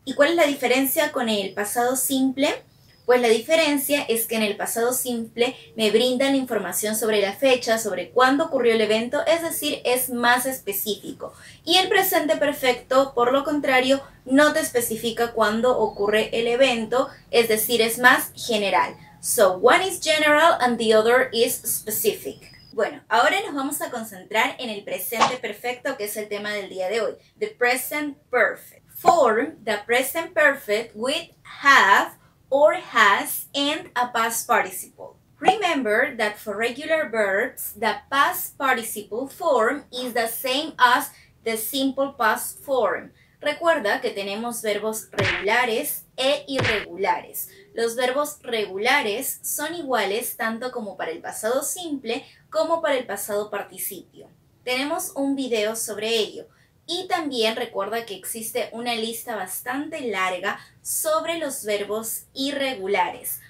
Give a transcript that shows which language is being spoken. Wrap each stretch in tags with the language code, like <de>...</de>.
<es>¿Y cuál es la diferencia con el pasado simple? Pues la diferencia es que en el pasado simple me brindan la información sobre la fecha, sobre cuándo ocurrió el evento, es decir, es más específico. Y el presente perfecto, por lo contrario, no te especifica cuándo ocurre el evento, es decir, es más general.</es> <en>So, one is general and the other is specific.</en> <es>Bueno, ahora nos vamos a concentrar en el presente perfecto, que es el tema del día de hoy.</es> <en>The present perfect. Form the present perfect with have or has and a past participle. Remember that for regular verbs, the past participle form is the same as the simple past form.</en> <es>Recuerda que tenemos verbos regulares e irregulares. Los verbos regulares son iguales tanto como para el pasado simple como para el pasado participio. Tenemos un video sobre ello. Y también recuerda que existe una lista bastante larga sobre los verbos irregulares.</es>